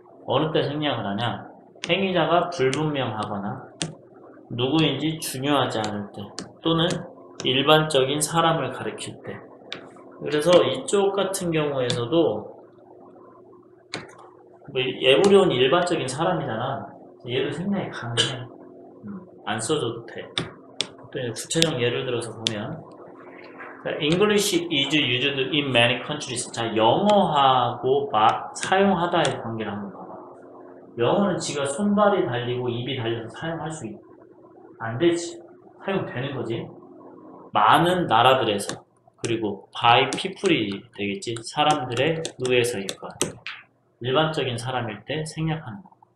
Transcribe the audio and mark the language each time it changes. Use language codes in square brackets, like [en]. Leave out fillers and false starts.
[ko] 어느 때 생략을 하냐? 행위자가 불분명하거나 누구인지 중요하지 않을 때 또는 일반적인 사람을 가리킬 때. 그래서 이쪽 같은 경우에서도 뭐 예불이온 일반적인 사람이잖아. 얘도 생략이 가능해. 안 써줘도 돼. 또 구체적 예를 들어서 보면 [en] English is used in many countries. [ko] 자, 영어하고 사용하다의 관계를 한번 봐봐. 영어는 지가 손발이 달리고 입이 달려서 사용할 수 있. 안 되지. 사용되는 거지. 많은 나라들에서, 그리고 by people이 되겠지. 사람들에 의해서일 거야. 일반적인 사람일 때 생략하는 거.